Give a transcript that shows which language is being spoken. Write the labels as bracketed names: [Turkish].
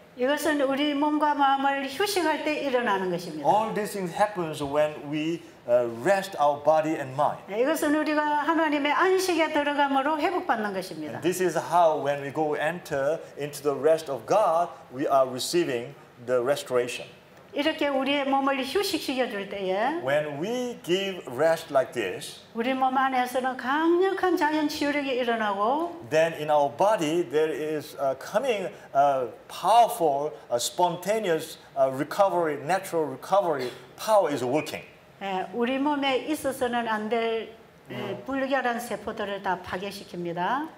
[Korean] 이것은 우리 몸과 마음을 휴식할 때 일어나는 것입니다. [English] All these things happens when we rest our body and mind. [Korean] 이것은 우리가 하나님의 안식에 들어감으로 회복받는 것입니다. [English] And this is how when we go enter into the rest of God, we are receiving the restoration. [Korean] 이렇게 우리의 몸을 휴식시켜 줄 때에 [English] when we give rest like this, [Korean] 우리 몸 안에서는 강력한 자연 치유력이 일어나고 [English] then in our body there is coming a powerful a spontaneous recovery natural recovery power is working. [Korean] 우리 몸에 있어서는 안 될 불결한 세포들을 다 파괴시킵니다.